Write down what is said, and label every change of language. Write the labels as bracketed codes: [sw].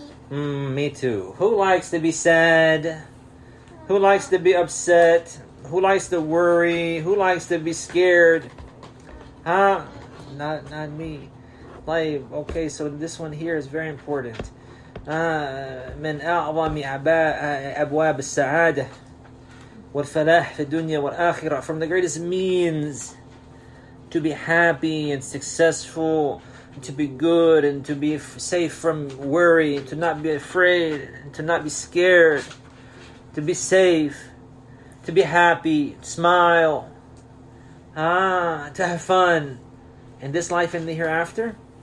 [en] Me. Me too. Who likes to be sad? Who likes to be upset? Who likes to worry? Who likes to be scared? Not me. Like, okay, so this one here is very important. [ar] من أعظم أبواب السعادة والفلاح في الدنيا والآخرة. [en] From the greatest means to be happy and successful, to be good, and to be safe from worry, to not be afraid, to not be scared, to be safe, to be happy, smile, to have fun in this life and the hereafter,